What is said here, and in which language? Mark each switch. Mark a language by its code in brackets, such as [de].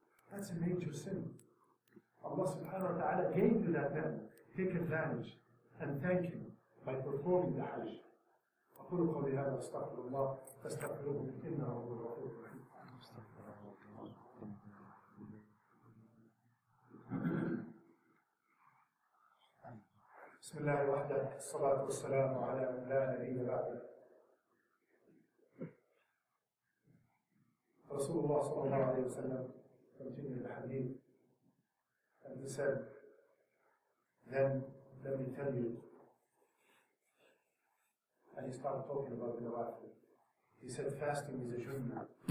[en] That's a major sin. Allah subhanahu wa ta'ala gave you that then. Take advantage and thank him by performing the Hajj. [ar] أقول قولي هذا استغفر الله فاستغفروه إنه هو الغفور الرحيم. بسم الله وحده الصلاة والسلام على من لا نبي بعده. رسول الله صلى الله عليه وسلم [en] continued the hadith and he said, then let me tell you. And he started talking about the Nawafil. He said, fasting is a junna.